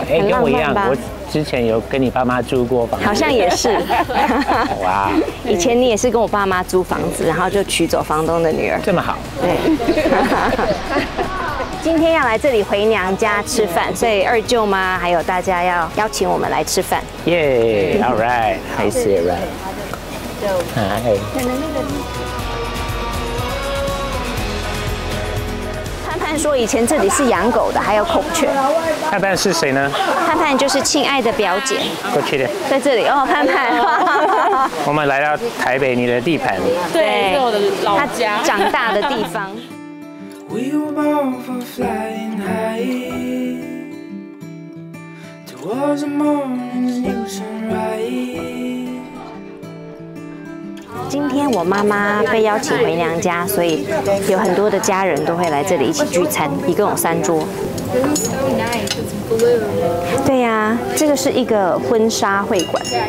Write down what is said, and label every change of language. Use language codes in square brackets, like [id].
[zh] 跟我一样，我之前有跟你爸妈租过房子，好像也是，哇，以前你也是跟我爸妈租房子，然后就娶走房东的女儿，这么好，对。今天要来这里回娘家吃饭，所以二舅妈还有大家要邀请我们来吃饭。耶、 [en] yeah, ，All right， [zh] 还是 [en] All right。 [zh] 嗨。可能那个盼盼说以前这里是养狗的，还有孔雀。盼盼是谁呢？盼盼就是亲爱的表姐。过去的。在这里哦，盼盼。我们来到台北，你的地盘。对，是我的老家。他长大的地方。 [en] We were born for flying high towards the morning's new sunrise。 [zh] 今天我妈妈被邀请回娘家，所以有很多的家人都会来这里一起聚餐，一共有三桌。对呀、啊，这个是一个婚纱会馆。